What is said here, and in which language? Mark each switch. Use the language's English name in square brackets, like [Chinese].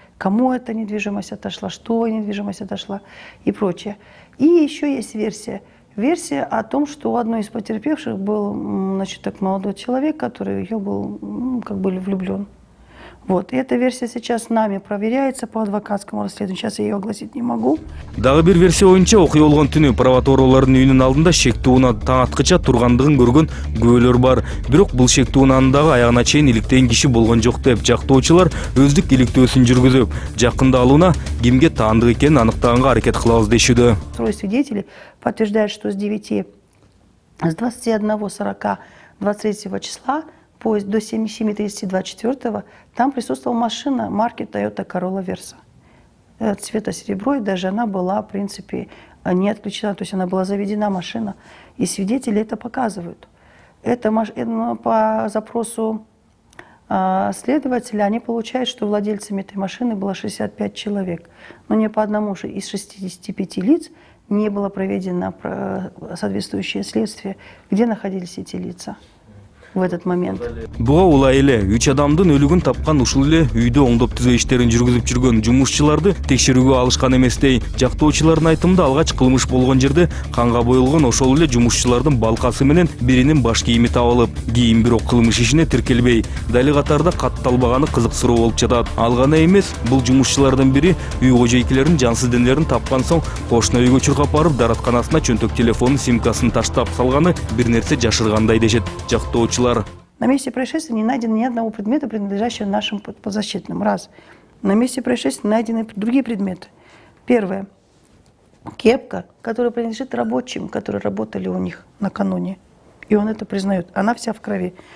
[Russian] кому эта недвижимость отошла, что недвижимость отошла и прочее. И еще есть версия. Версия о том, что у одной из потерпевших был, значит, так молодой человек, который ее был, как бы, влюблен. Вот. И эта версия сейчас нами проверяется по адвокатскому расследованию. Сейчас я ее огласить не могу. [Kyrgyz] Дагы бир версия оюнча, окуя болгон түнү, прокуратуралардын үйүнүн алдында шектүүнө таң аткыча тургандыгын көргөн күбөлөр бар. Бирок бул шектүүнүн дагы аягына чейин иликтеген киши болгон жок деп жактоочулар өздүк иликтөөсүн жүргүзүп, жакында алууна кимге таандык экенин аныктаганга аракет кылабыз дешүүдө. [Russian] Трое свидетелей подтверждают, что с 9, с 21:40 23 числа поезд до 7:30-24 там присутствовала машина марки Toyota Corolla Versa. Цвета серебро, и даже она была, в принципе, не отключена. То есть она была заведена, машина. И свидетели это показывают. Это по запросу следователя они получают, что владельцами этой машины было 65 человек. Но ни по одному же из 65 лиц не было проведено соответствующее следствие, где находились эти лица. В этот момент. [Kyrgyz] Буга улай эле, үч адамдын өлүгүн тапкан ушул эле үйдө оңдоп түзөө иштерин жүргүзүп жүргөн жумушчуларды текшерүүгө алышкан эместей. Жактоочулардын айтымында алгач кылмыш болгон жерде канга боелгон ошол эле жумушчулардын балкасы менен биринин баш кийими табылып, кийин бирок кылмыш ишине тиркелбей, дали катарда катталбаганы кызык суроо болуп жатат. Ал гана эмес, бул жумушчулардын бири үй кожойкелерин жансыз денелерин тапкан соң кошуна үйгө чуркап барып даратканасына чөнтөк телефонун симкасын таштап салганы бир нерсе жашыргандай дешет. Жактоочу [Russian] На месте происшествия не найдено ни одного предмета, принадлежащего нашим подзащитным. Раз. На месте происшествия найдены другие предметы. Первое. Кепка, которая принадлежит рабочим, которые работали у них накануне. И он это признает. Она вся в крови.